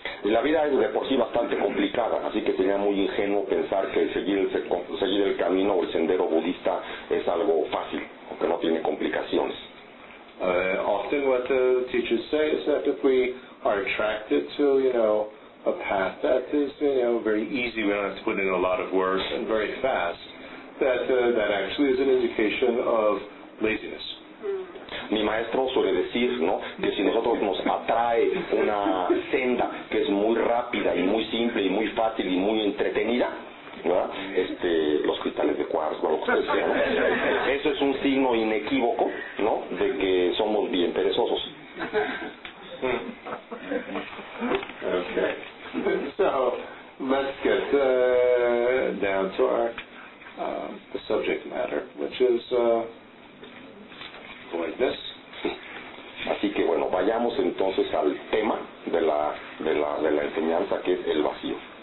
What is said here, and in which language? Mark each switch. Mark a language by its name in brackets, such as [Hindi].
[Spanish] La vida es de por sí bastante complicada, así que sería muy ingenuo pensar que seguir el camino o el sendero budista es algo fácil, o que no tiene complicaciones. [English] Often what the teachers say is that if we are attracted to, you know, a path that is, you know, very easy, we don't have to put in a lot of work, and very fast, that actually is an indication of laziness. [Spanish] Mi maestro suele decir, ¿no?, que si nosotros nos atrae una senda que es muy rápida y muy simple y muy fácil y muy entretenida, ¿verdad?, los cristales de cuarzo o lo que sea, ¿no?, eso es un signo inequívoco, ¿no?, de que somos bien perezosos. [English] Okay. So, let's get down to our the subject matter, which is voidness. [Spanish] Así que bueno, vayamos entonces al tema de la enseñanza, que es el vacío.